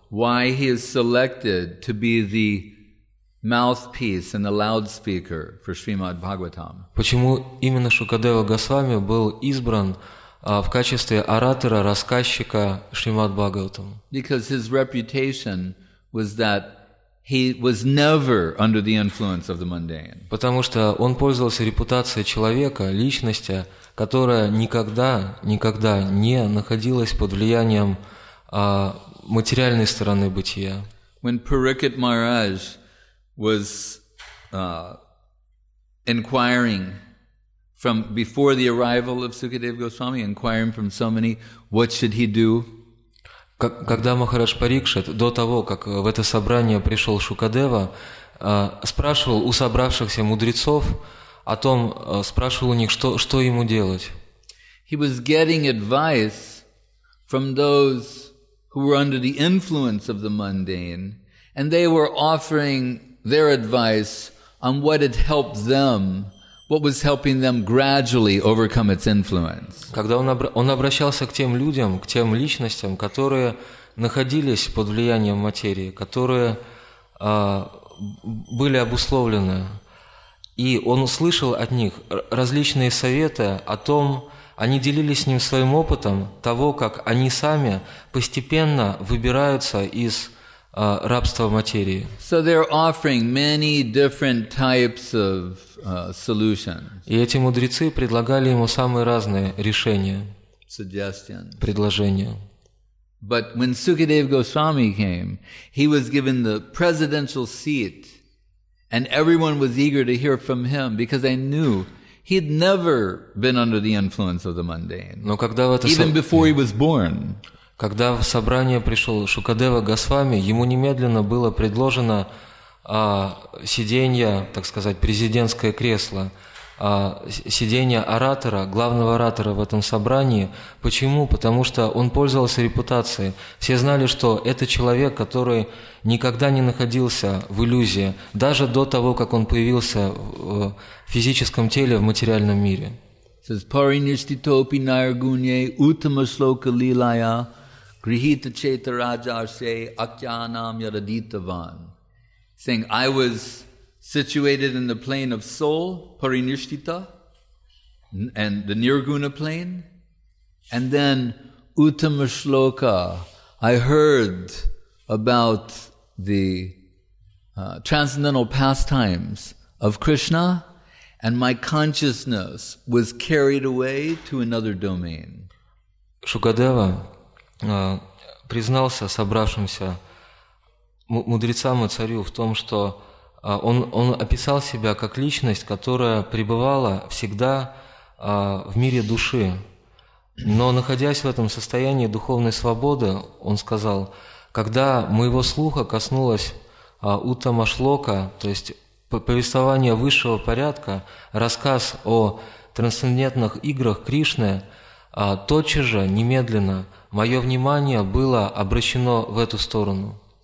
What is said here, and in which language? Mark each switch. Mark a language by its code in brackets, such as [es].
[en] Why he is selected to be the mouthpiece and the loudspeaker for Srimad Bhagavatam? [ru] Почему именно Шукадева Госвами был избран в качестве оратора, рассказчика Шримад Бхагаватам? [en] Because his reputation was that he was never under the influence of the mundane. [ru] Потому что он пользовался репутацией человека, личности, которая никогда не находилась под влиянием материальной стороны бытия. [en] When Parikshit Maharaj was inquiring from before the arrival of Sukadeva Goswami, inquiring from so many, what should he do? [ru] Когда Махарадж Парикшит до того, как в это собрание пришел Шукадева, спрашивал у собравшихся мудрецов о том, спрашивал у них, что ему делать. [en] He was getting advice from those who were under the influence of the mundane, and they were offering their advice on what had helped them, what was helping them gradually overcome its influence. [ru] Когда он обращался к тем людям, к тем личностям, которые находились под влиянием материи, которые были обусловлены, и он услышал от них различные советы о том, они делились с ним своим опытом того, как они сами постепенно выбираются из рабства материи. [en] So they're offering many different types of solutions. [ru] И эти мудрецы предлагали ему самые разные решения, [en] suggestions. [ru] Предложения. [en] But when Sukadeva Goswami came, he was given the presidential seat, and everyone was eager to hear from him because they knew he'd never been under the influence of the mundane. [ru] Но когда в это [en] even before he was born. [ru] Когда в собрание пришел Шукадева Госвами, ему немедленно было предложено сиденье, так сказать, президентское кресло, сиденье оратора, главного оратора в этом собрании. Почему? Потому что он пользовался репутацией. Все знали, что это человек, который никогда не находился в иллюзии, даже до того, как он появился в физическом теле, в материальном мире. [sa] Says Parinishtitopi Nairgunye Uttama Shloka Lilaya Grihita Chetaraja Arse Akyanam Yadaditavan. [en] Saying, I was situated in the plane of soul, Parinishtita, and the Nirguna plane. And then Uttama Shloka, I heard about the transcendental pastimes of Krishna, and my consciousness was carried away to another domain. [ru] Шукадева признался собравшимся мудрецам и царю в том, что он описал себя как личность, которая пребывала всегда в мире души, Но находясь в этом состоянии духовной свободы, он сказал, когда моего слуха коснулась Уттама Шлока, то есть повествование высшего порядка, рассказ о трансцендентных играх Кришны, тотчас же, немедленно, мое внимание было обращено в эту сторону.